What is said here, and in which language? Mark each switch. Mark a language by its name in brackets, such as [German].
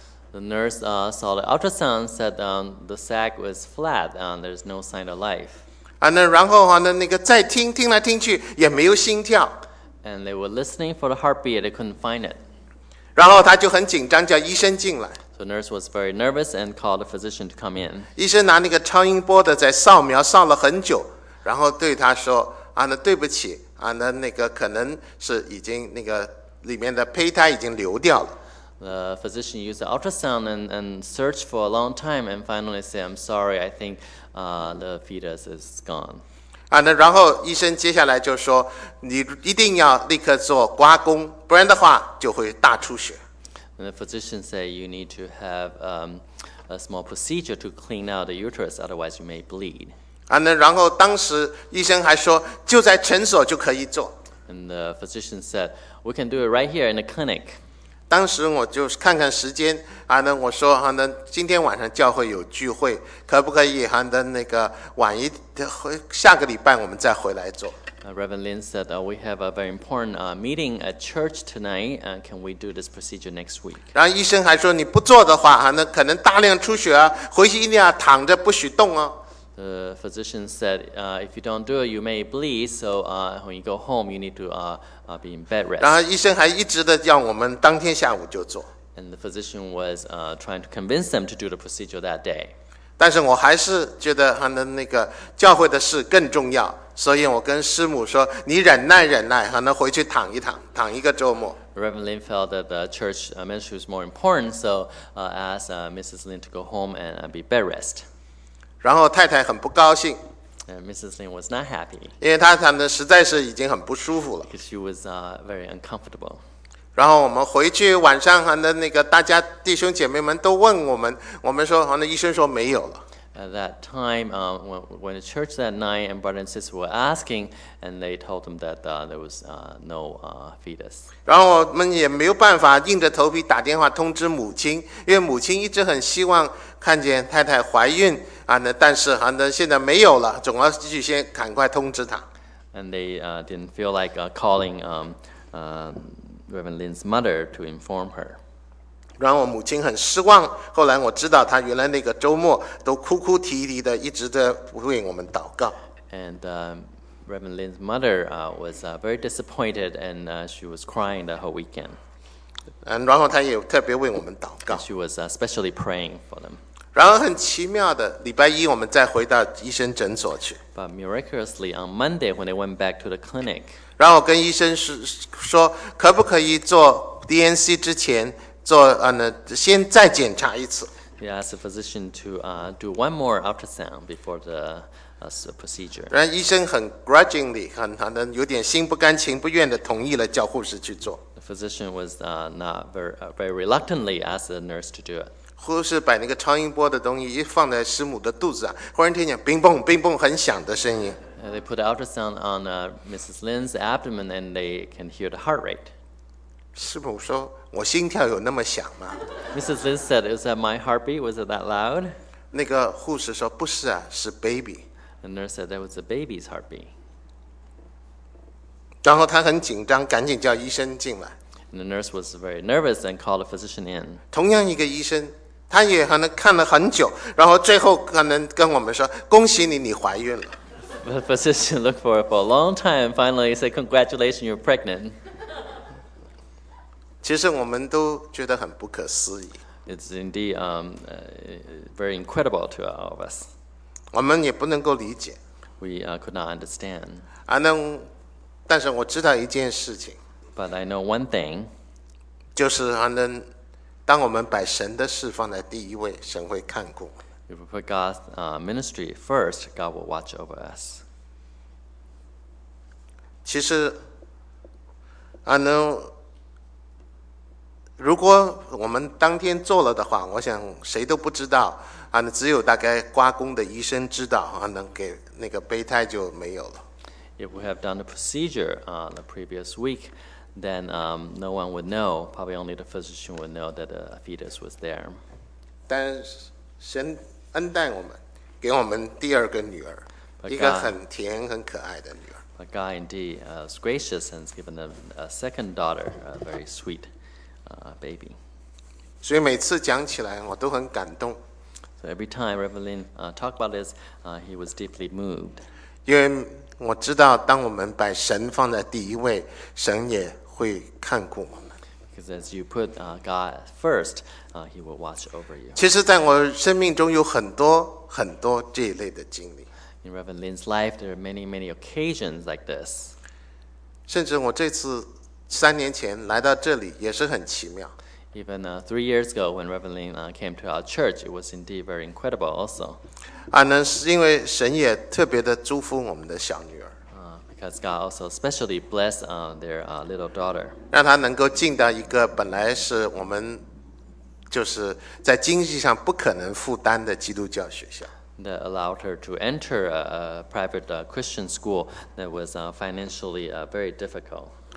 [English] The nurse saw the ultrasound, said the sac was flat, there's no sign of life. [Chinese] 然后再听，听来听去，也没有心跳。 [English] And they were listening for the heartbeat, they couldn't find it. [Chinese] 然后他就很紧张，叫医生进来。 [English] So the nurse was very nervous and called the physician to come in. [Chinese] 医生拿超音波的在扫描，扫了很久，然后对他说，对不起，可能是已经里面的胚胎已经流掉了。 [English] The physician used the ultrasound and searched for a long time and finally said, I'm sorry, I think the fetus is gone. [Chinese] 然后医生接下来就说，你一定要立刻做刮宫，不然的话就会大出血。 [English] And the physician said, you need to have a small procedure to clean out the uterus, otherwise you may bleed. [Chinese] 然后当时医生还说，就在诊所就可以做。 [English] And the physician said, we can do it right here in the clinic. [Chinese] 当时我就看看时间，我说今天晚上教会有聚会，可不可以晚一下个礼拜我们再回来做。 [English] Reverend Lin said we have a very important meeting at church tonight. Can we do this procedure next week? [Chinese] 然后医生还说你不做的话，可能大量出血啊，回去一定要躺着不许动哦。 [English] The physician said, if you don't do it, you may bleed. So when you go home, you need to be in bed rest. [Chinese] 然后医生还一直的叫我们当天下午就做。 [English] And the physician was trying to convince them to do the procedure that day. [Chinese] 但是我还是觉得他的那个教会的事更重要，所以我跟师母说，你忍耐忍耐，可能回去躺一躺，躺一个周末。 [English] Reverend Lin felt that the church ministry was more important, so asked Mrs. Lin to go home and be bed rest. [Chinese] 然后太太很不高兴。 [English] And Mrs. Lin was not happy. [Chinese] 因为她躺的实在是已经很不舒服了。 [English] Because she was very uncomfortable. [Chinese] 然后我们回去晚上，那个大家弟兄姐妹们都问我们，我们说，那医生说没有了。 [English] At that time, when the church that night, and brother and sister were asking, and they told them that there was no fetus. [Chinese] 然后我们也没有办法硬着头皮打电话通知母亲，因为母亲一直很希望看见太太怀孕啊，那但是啊，那现在没有了，总要继续先赶快通知她。 [English] And they didn't feel like calling Reverend Lin's mother to inform her. [Chinese] 然后我母亲很失望，后来我知道她原来那个周末都哭哭啼啼的一直在为我们祷告。 [English] And Reverend Lin's mother was very disappointed and she was crying the whole weekend. And [Chinese] 然后她也特别为我们祷告。 [English] And、she was especially praying for them. [Chinese] 然后很奇妙的，礼拜一我们再回到医生诊所去。 [English] But miraculously on Monday when they went back to the clinic. [Chinese] 然后我跟医生说可不可以做 DNC 之前做先再检查一次。 [English] He asked the physician to do one more ultrasound before the procedure. [Chinese] 然后医生很 [English] grudgingly, [Chinese] 很有点心不甘情不愿的同意了叫护士去做。 [English] The physician was not very reluctantly asked the nurse to do it. [Chinese] 护士把那个超音波的东西一放在师母的肚子上，忽然听见冰蹦冰蹦很响的声音。 [English] They put the ultrasound on Mrs. Lin's abdomen and they can hear the heart rate. [Chinese] 师母说我心跳有那么响吗 [English] ？Mrs. Lin said, "Is that my heartbeat? Was it that loud?" [Chinese] 那个护士说不是啊，是 baby. [English] The nurse said that was a baby's heartbeat. [Chinese] 然后她很紧张，赶紧叫医生进来。 [English] And、the nurse was very nervous and called a physician in. [Chinese] 同样一个医生，他也可能看了很久，然后最后可能跟我们说：“恭喜你，你怀孕了。 [English] ”The physician looked for it for a long time. Finally, he said, "Congratulations, you're pregnant." [Chinese] 其实我们都觉得很不可思议。 [English] It's indeed very incredible to all of us. [Chinese] 我们也不能够理解。 [English] We could not understand. [Chinese] 但是我知道一件事情。 [English] But I know one thing. [Chinese] 就是当我们把神的事放在第一位，神会看顾。 [English] If we put God's ministry first, God will watch over us. [Chinese] 其实 [English] ，I know. [Chinese] 如果我们当天做了的话，我想谁都不知道啊，只有大概刮宫的医生知道啊，能给那个胚胎就没有了。 [English] If we have done the procedure the previous week, then no one would know. Probably only the physician would know that the fetus was there. [Chinese] 但神恩待我们，给我们第二个女儿， [English] God, [Chinese] 一个很甜很可爱的女儿。 [English] But God indeed is gracious and has given a second daughter, a very sweet. Baby. [Chinese] 所以每次讲起来我都很感动。 [English] So every time Reverend Lin talked about this, he was deeply moved. [Chinese] 因为我知道当我们把神放在第一位，神也会看顾我们。 [English] Because as you put God first, he will watch over you. [Chinese] 其实在我生命中有很多很多这一类的经历。 [English] In Reverend Lin's life, there are many, many occasions like this. [Chinese] 甚至我这次三年前来到这里也是很奇妙。 [English] Even three years ago, when Reverend Lin came to our church, it was indeed very incredible also. [Chinese] 是因为神也特别的祝福我们的小女儿。 [English] Because God also specially blessed their little daughter. [Chinese] 让她能够进到一个本来是我们就是在经济上不可能负担的基督教学校。 [English] That allowed her to enter a private Christian school that was financially very difficult.